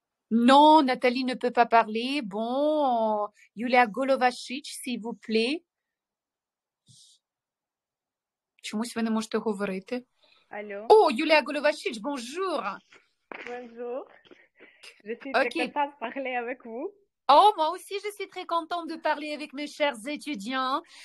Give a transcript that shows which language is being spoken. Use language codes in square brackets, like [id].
[fr] Non, Nathalie ne peut pas parler. Bon, Юлія Головашич, s'il vous plaît. [uk] Чомусь ви не можете говорити? Алло. [fr] О, Юлія Головашич, bonjour. Bonjour. Je suis okay. très contente de parler avec vous. Oh, moi aussi, je suis très contente de parler avec mes chers étudiants.